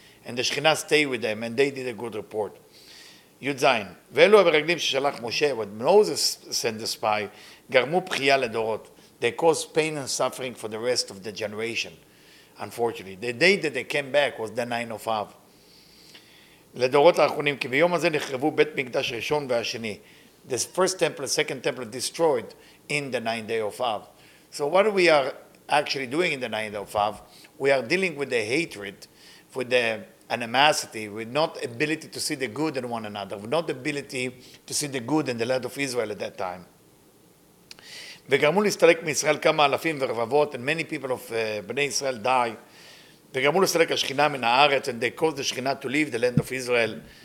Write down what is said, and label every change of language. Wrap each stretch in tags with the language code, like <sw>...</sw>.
<en>And the Shechina stayed with them, and they did a good report. Yud Zayin,</en> <he>ve'elu ha'meraglim she'shalach Moshe,</he> <en>when Moses sent the spy,</en> <he>garmu p'chiyah l'dorot.</he> <en>They caused pain and suffering for the rest of the generation, unfortunately. The day that they came back was the 9 of Av.</en> <he>לדורות האחרונים, כי ביום הזה נחרבו בית מקדש ראשון והשני.</he> <en>The first temple, second temple destroyed in the 9th day of Av. So what we are actually doing in the 9th day of Av, we are dealing with the hatred, with the animosity, with not ability to see the good in one another, with not ability to see the good in the land of Israel at that time.</en> <he>וגרמו להסתלק מישראל כמה אלפים ורבבות,</he> <en>and many people of בני ישראל die.</en> <he>וגרמו להסתלק השכינה מן הארץ,</he> <en>and they caused the שכינה to leave the land of Israel.</en>